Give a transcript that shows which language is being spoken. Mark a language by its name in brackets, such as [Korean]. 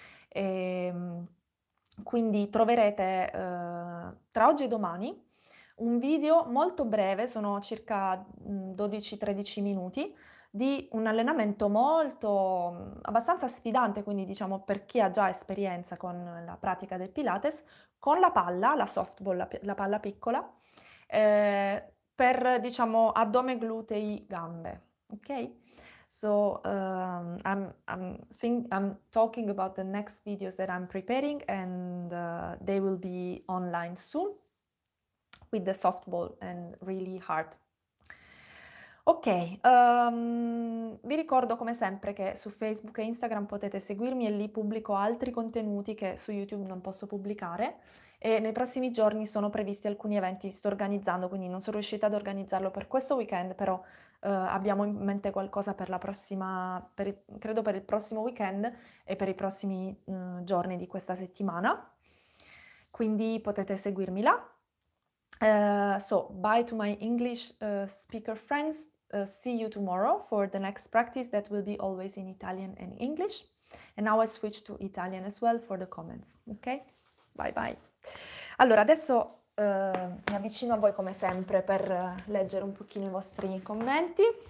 [Italian] E quindi troverete tra oggi e domani un video molto breve, sono circa 12-13 minuti, di un allenamento molto abbastanza sfidante, quindi diciamo per chi ha già esperienza con la pratica del Pilates, con la palla, la softball, la palla piccola, per diciamo addome, glutei, gambe. Ok? [English] So I'm talking about the next videos that I'm preparing, and they will be online soon with the softball and really hard. [Italian] Ok, vi ricordo come sempre che su Facebook e Instagram potete seguirmi e lì pubblico altri contenuti che su YouTube non posso pubblicare, e nei prossimi giorni sono previsti alcuni eventi, sto organizzando, quindi non sono riuscita ad organizzarlo per questo weekend, però abbiamo in mente qualcosa per la prossima, credo per il prossimo weekend e per i prossimi giorni di questa settimana, quindi potete seguirmi là. [English] So, bye to my English speaker friends. See you tomorrow for the next practice that will be always in Italian and English. And now I switch to Italian as well for the comments. Ok? Bye bye. [Italian] Allora, adesso mi avvicino a voi come sempre per leggere un pochino i vostri commenti.